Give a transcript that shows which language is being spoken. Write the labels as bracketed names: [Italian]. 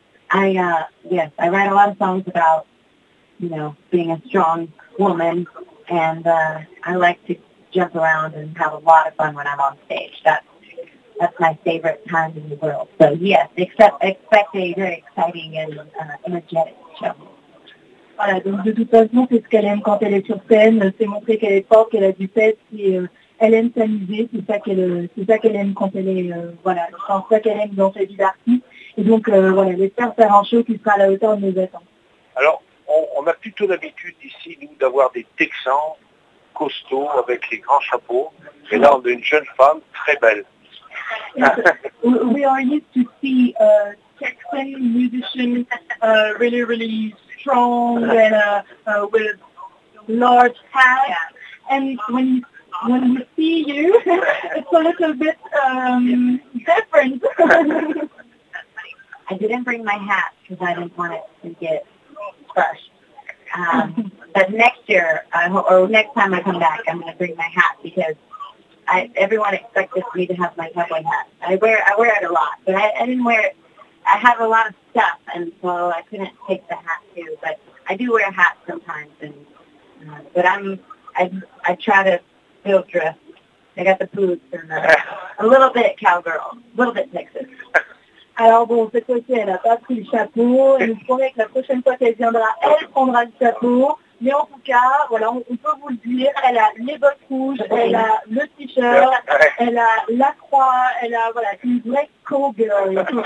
[English] I write a lot of songs about, you know, being a strong woman, and I like to jump around and have a lot of fun when I'm on stage. That's my favorite time in the world. So yes, expect a very exciting and energetic show. [French] Voilà, donc de toute façon, c'est ce qu'elle aime quand elle est sur scène, c'est montrer qu'elle est forte, qu'elle a du pep, elle aime s'amuser, c'est ça qu'elle aime quand elle est, voilà, c'est ça qu'elle aime dans sa vie d'artiste, et donc, voilà, j'espère faire un show qui sera à la hauteur de nos attentes. Alors, on a plutôt l'habitude ici, nous, d'avoir des Texans costauds avec les grands chapeaux, et là, on a une jeune femme très belle. [English] We are used to see Texan musicians really, really strong and with large hats. Yeah. And when we see you, it's a little bit different. I didn't bring my hat because I didn't want it to get crushed. But next year, or next time I come back, I'm going to bring my hat because everyone expected me to have my cowboy hat. I wear it a lot, but I didn't wear it. I have a lot of stuff, and so I couldn't take the hat too. But I do wear hats sometimes. But I try to field dress. I got the boots and a little bit cowgirl, a little bit Texas. [French] Alors bon, cette fois-ci, elle n'a pas pris le chapeau. Et je promets que la prochaine fois qu'elle viendra, elle prendra le chapeau. Mais en tout cas, voilà, on peut vous le dire, elle a les bottes rouges, elle a le t-shirt, elle a la croix, elle a, voilà, une vraie cowgirl.